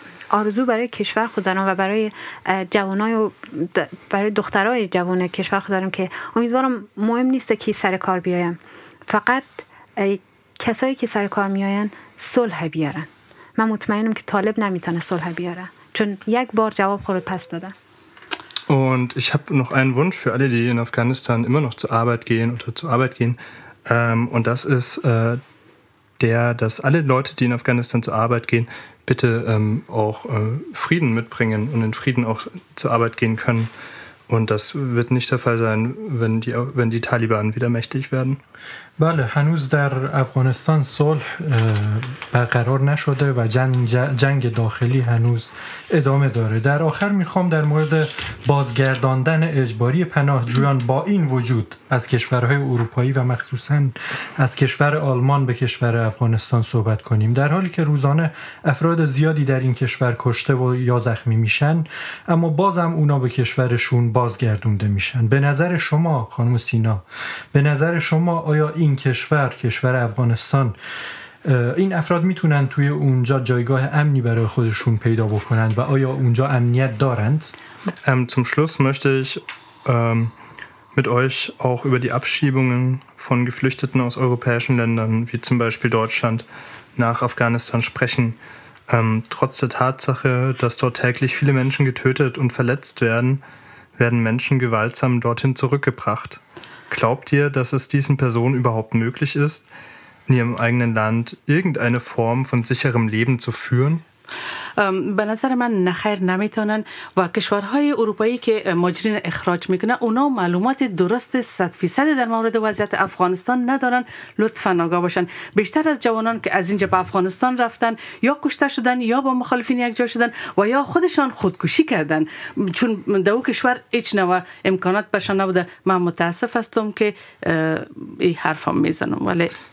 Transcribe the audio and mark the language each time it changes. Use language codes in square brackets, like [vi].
[fa] آرزو برای کشور خود دارم و برای جوانای و برای دخترای جوان کشور خود دارم که امیدوارم مهم نیست کی سر کار بیایم، فقط کسایی که سر کار میآیند صلح بیارن. من مطمئنم که طالب نمیتونه صلح بیاره چون یک بار جواب خورد پس داده. [de] Und ich habe noch einen Wunsch für alle, die in Afghanistan immer noch zur Arbeit gehen oder zur Arbeit gehen. Und das ist dass alle Leute, die in Afghanistan zur Arbeit gehen, bitte auch Frieden mitbringen und in Frieden auch zur Arbeit gehen können. Und das wird nicht der Fall sein, wenn die Taliban wieder mächtig werden. [fa] بله، هنوز در افغانستان صلح برقرار نشده و جنگ داخلی هنوز ادامه داره. در آخر میخوام در مورد بازگرداندن اجباری پناهجویان با این وجود از کشورهای اروپایی و مخصوصاً از کشور آلمان به کشور افغانستان صحبت کنیم. در حالی که روزانه افراد زیادی در این کشور کشته و یا زخمی میشن، اما بازم اونا به کشورشون بازگردونده میشن. به نظر شما خانم سینا، به نظر شما آیا این کشور افغانستان، این افراد میتونن توی اونجا جایگاه امنی برای خودشون پیدا بکنن و آیا اونجا امنیت دارند؟ [de] Zum Schluss möchte ich mit euch auch über die Abschiebungen von Geflüchteten aus europäischen Ländern wie zum Beispiel Deutschland nach Afghanistan sprechen. Trotz der Tatsache, dass dort täglich viele Menschen getötet und verletzt werden, werden Menschen gewaltsam dorthin zurückgebracht. Glaubt ihr, dass es diesen Personen überhaupt möglich ist, in ihrem eigenen Land irgendeine Form von sicherem Leben zu führen? [fa] به نظر من نخیر نمیتونن و کشورهای اروپایی که مهاجرین اخراج میکنه اونا معلومات درست 100% در مورد وضعیت افغانستان ندارن. لطفا آگاه باشن. بیشتر از جوانان که از اینجا به افغانستان رفتن یا کشته شدن یا با مخالفین یک جا شدن و یا خودشان خودکشی کردن، چون در او کشور هیچ نوع امکانات برشان نبوده. من متاسف هستم که این حرفام میزنم، ولی